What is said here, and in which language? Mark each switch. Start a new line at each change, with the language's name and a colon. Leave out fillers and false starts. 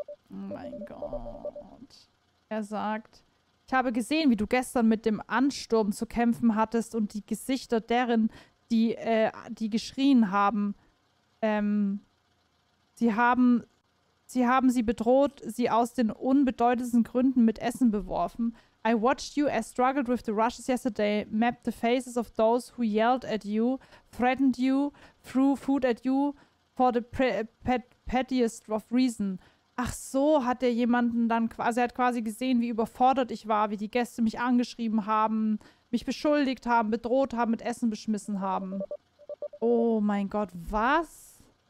German: Oh mein Gott. Er sagt, ich habe gesehen, wie du gestern mit dem Ansturm zu kämpfen hattest und die Gesichter deren, die geschrien haben. Sie haben sie bedroht, sie aus den unbedeutendsten Gründen mit Essen beworfen.
English: I watched you as struggled with the rushes yesterday, mapped the faces of those who yelled at you, threatened you, threw food at you for the pettiest of reason.
German: Ach so, hat der jemanden dann quasi, er hat quasi gesehen, wie überfordert ich war, wie die Gäste mich angeschrieben haben, mich beschuldigt haben, bedroht haben, mit Essen beschmissen haben. Oh mein Gott, was?